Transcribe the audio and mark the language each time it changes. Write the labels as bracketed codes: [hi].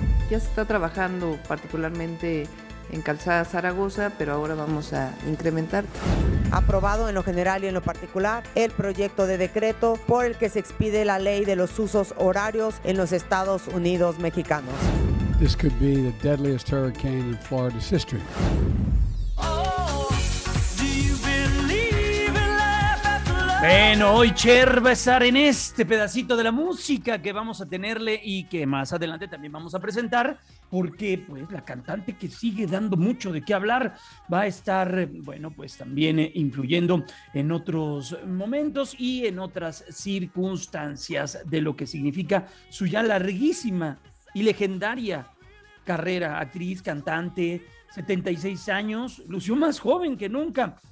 [es] Ya se está trabajando particularmente en Calzada Zaragoza, pero ahora vamos a incrementar. Aprobado en lo general y en lo particular el proyecto de decreto por el que se expide la ley de los usos horarios en los Estados Unidos Mexicanos. [en] This could be the deadliest hurricane in Florida's history. [es] Bueno, hoy Cher va a estar en este pedacito de la música que vamos a tenerle y que más adelante también vamos a presentar, porque pues la cantante que sigue dando mucho de qué hablar va a estar, bueno, pues también influyendo en otros momentos y en otras circunstancias de lo que significa su ya larguísima y legendaria carrera, actriz, cantante, 76 años, lució más joven que nunca.